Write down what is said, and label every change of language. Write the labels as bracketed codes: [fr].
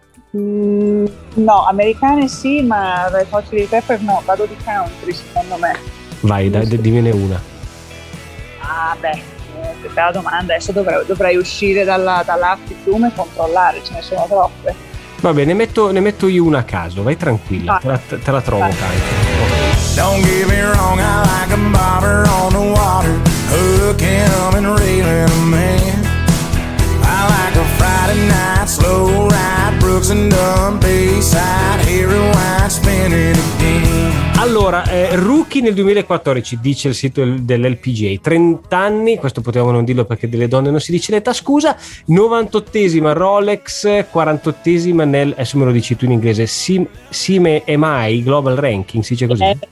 [it] No, americane sì, ma Red Hot Chili Peppers no, vado di country secondo me. Vai, dimmene una. Ah beh. Bella domanda, adesso dovrei uscire dall'app di Zoom e controllare, ce ne sono troppe. Vabbè, ne metto io una a caso, vai tranquilla, te la trovo tanto. [en] Don't get me wrong, I like a bobber on the water, hooking up and reeling a man. I like a Friday night, slow ride, Brooks and Dunn, Bayside, here and white, spinning again. [it] Allora, rookie nel 2014, dice il sito dell'LPGA, 30 anni, questo potevamo non dirlo perché delle donne non si dice l'età, scusa, 98esima Rolex, 48esima nel, adesso me lo dici tu in inglese, Sime EMI Global Ranking, si dice così?